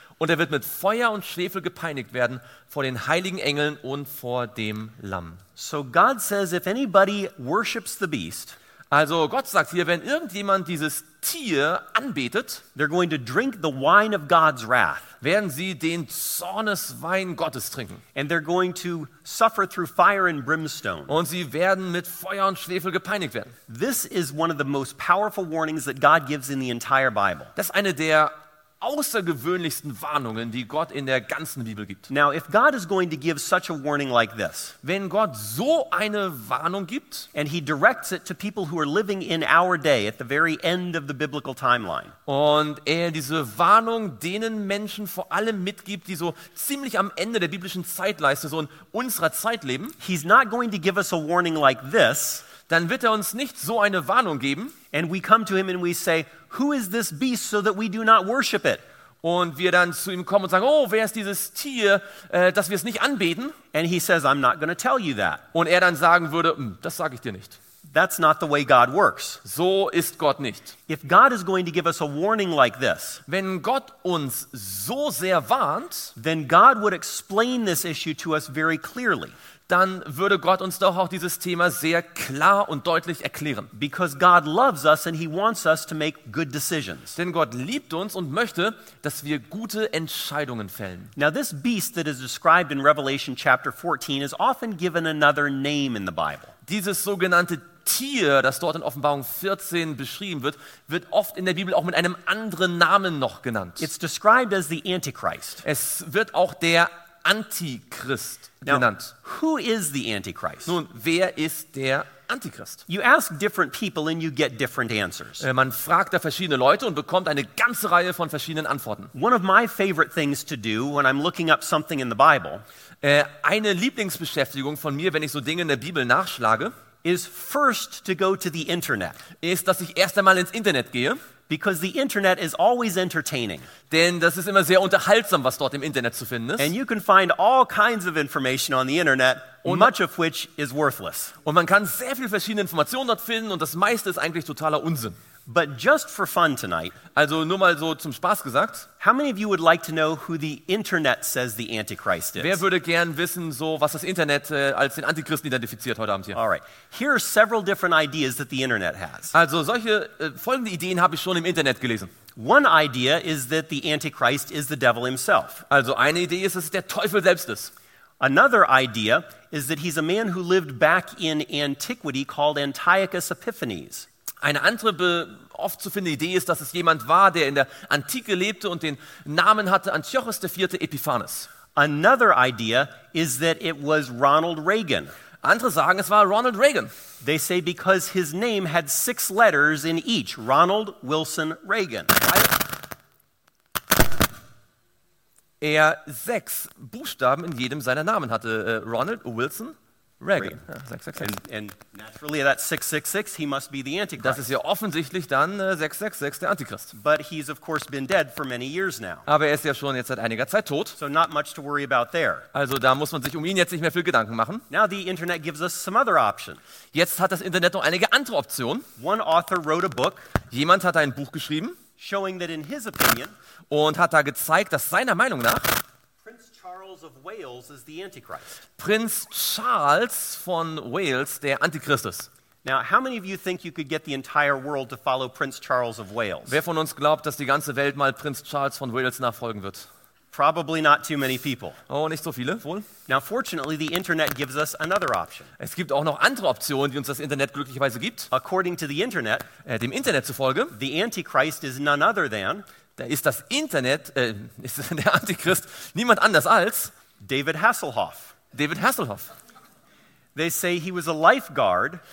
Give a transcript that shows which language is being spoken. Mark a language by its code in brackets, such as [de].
[de] und er wird mit Feuer und Schwefel gepeinigt werden vor den heiligen Engeln und vor dem Lamm. [en] So God says, if anybody worships the beast, [de] also Gott sagt hier, wenn irgendjemand dieses Tier anbetet, [en] they're going to drink the wine of God's wrath. [de] Werden sie den Zorneswein Gottes trinken. [en] And they're going to suffer through fire and brimstone. [de] Und sie werden mit Feuer und Schwefel gepeinigt werden. [en] This is one of the most powerful warnings that God gives in the entire Bible. [de] Das ist eine der außergewöhnlichsten Warnungen, die Gott in der ganzen Bibel gibt. [en] Now, if God is going to give such a warning like this, [de] wenn Gott so eine Warnung gibt, [en] and he directs it to people who are living in our day at the very end of the biblical timeline, [de] und er diese Warnung denen Menschen vor allem mitgibt, die so ziemlich am Ende der biblischen Zeitleiste, so in unserer Zeit leben, [en] he's not going to give us a warning like this, [de] dann wird er uns nicht so eine Warnung geben. [en] And we come to him and we say, who is this beast so that we do not worship it? [de] Und wir dann zu ihm kommen und sagen, oh, wer ist dieses Tier, dass wir es nicht anbeten? [en] And he says, I'm not going to tell you that. [de] Und er dann sagen würde, das sage ich dir nicht. [en] That's not the way God works. [de] So ist Gott nicht. [en] If God is going to give us a warning like this, [de] wenn Gott uns so sehr warnt, [en] then God would explain this issue to us very clearly. [de] Dann würde Gott uns doch auch dieses Thema sehr klar und deutlich erklären. [en] Because God loves us and he wants us to make good decisions. [de] Denn Gott liebt uns und möchte, dass wir gute Entscheidungen fällen. [en] Now this beast that is described in Revelation chapter 14 is often given another name in the Bible. [de] Dieses sogenannte Tier, das dort in Offenbarung 14 beschrieben wird, wird oft in der Bibel auch mit einem anderen Namen noch genannt. [en] It's described as the Antichrist. [de] Es wird auch der Antichrist genannt. [en] Now, who is the Antichrist? [de] Nun, wer ist der Antichrist? [en] You ask different people and you get different answers. [de] Man fragt da verschiedene Leute und bekommt eine ganze Reihe von verschiedenen Antworten. [en] One of my favorite things to do when I'm looking up something in the Bible, [de] eine Lieblingsbeschäftigung von mir, wenn ich so Dinge in der Bibel nachschlage, [en] is first to go to the internet. [de] Ist, dass ich erst einmal ins Internet gehe. [en] Because the internet is always entertaining. [de] Denn das ist immer sehr unterhaltsam, was dort im Internet zu finden ist. [en] And you can find all kinds of information on the internet, [de] und [en] much of which is worthless. [de] Und man kann sehr viel verschiedene Informationen dort finden und das meiste ist eigentlich totaler Unsinn. [en] But just for fun tonight, [de] also nur mal so zum Spaß gesagt, [en] how many of you would like to know who the internet says the Antichrist is? [de] Wer würde gern wissen, so was das Internet als den Antichristen identifiziert heute Abend hier? [en] All right. Here are several different ideas that the internet has. [de] Also solche folgende Ideen habe ich schon im Internet gelesen. [en] One idea is that the Antichrist is the devil himself. [de] Also eine Idee ist, dass es der Teufel selbst ist. [en] Another idea is that he's a man who lived back in antiquity called Antiochus Epiphanes. [de] Eine andere oft zu findende Idee ist, dass es jemand war, der in der Antike lebte und den Namen hatte Antiochus der Vierte Epiphanes. [en] Another idea is that it was Ronald Reagan. [de] Andere sagen, es war Ronald Reagan. [en] They say because his name had six letters in each, Ronald Wilson Reagan. [de] Er sechs Buchstaben in jedem seiner Namen hatte, Ronald Wilson Reagan. [en] And naturally that 666, he must be the Antichrist. [de] Das ist ja offensichtlich dann 666, der Antichrist. [en] But he's of course been dead for many years now. [de] Aber er ist ja schon jetzt seit einiger Zeit tot. [en] So not much to worry about there. [de] Also da muss man sich um ihn jetzt nicht mehr viel Gedanken machen. [en] Now the internet gives us some other option. [de] Jetzt hat das Internet noch einige andere Optionen. [en] One author wrote a book. [de] Jemand hat ein Buch geschrieben. [en] Showing that in his opinion. [de] Und hat da gezeigt, dass seiner Meinung nach [en] of Wales is the Antichrist. [de] Prinz Charles von Wales, der Antichrist ist. [en] Now, how many of you think you could get the entire world to follow Prince Charles of Wales? [de] Wer von uns glaubt, dass die ganze Welt mal Prinz Charles von Wales nachfolgen wird? [en] Probably not too many people. [de] Oh, nicht so viele, wohl. [en] Now, fortunately, the internet gives us another option. [de] Es gibt auch noch andere Optionen, die uns das Internet glücklicherweise gibt. [en] According to the internet, [de] dem Internet zufolge, [en] the Antichrist is none other than, [de] da ist das Internet, ist der Antichrist niemand anders als [en] David Hasselhoff. [de] David Hasselhoff. [en] They say he was a lifeguard.